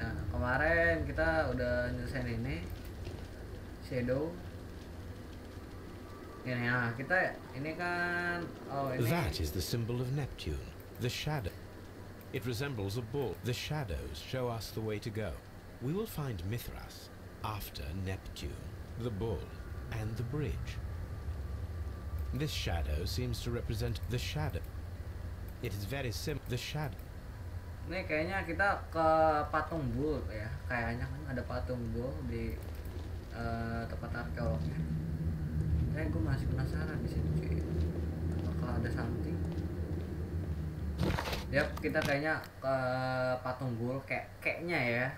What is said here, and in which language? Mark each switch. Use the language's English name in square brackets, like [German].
[Indonesian] Kemarin kita udah nyelesain ini shadow ini, nah kita ini kan oh ini [English] that is the symbol of Neptune, the shadow, it resembles a bull, the shadows show us the way to go, we will find Mithras after Neptune, the bull and the bridge, this shadow seems to represent the shadow, it is very simple, the shadow. [Indonesian] Nih kayaknya kita ke patung bull ya. Kayaknya kan ada patung bull di tempat arkeolognya. Kayaknya gue masih penasaran di situ sih. Apakah ada something? Yap, kita kayaknya ke patung bull kayaknya ya.